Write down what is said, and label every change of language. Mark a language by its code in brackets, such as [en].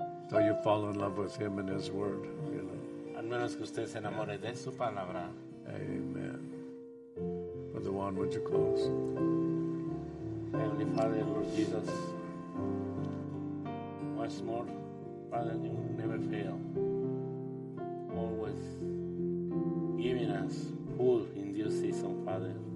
[en] So you fall in love with Him and His Word, you know. [es] Al menos que usted se enamore de su palabra. [en] Amen. For the one, would you close? Heavenly Father, Lord Jesus, once more, Father, you never fail. Always giving us food in due season, Father.